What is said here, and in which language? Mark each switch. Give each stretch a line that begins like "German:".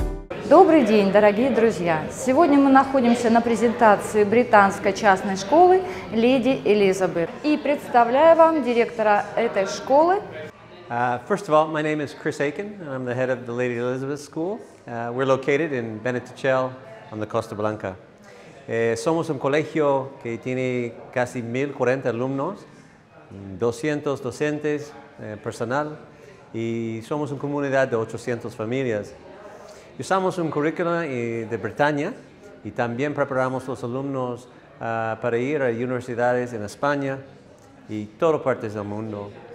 Russian: Дорогие друзья, сегодня мы находимся на презентации британской частной школы «Леди Элизабет». И представляю вам директора этой школы.
English: First of all, my name is Chris Aiken, and I'm the head of the Lady Elizabeth School. We're located in Benetichelle on the Costa Blanca.
Spanish: Somos un colegio que tiene casi 1,040 alumnos, 200 docentes, personal, y somos una comunidad de 800 familias. Usamos un currículo de Bretaña y también preparamos los alumnos para ir a universidades en España y todas partes del mundo.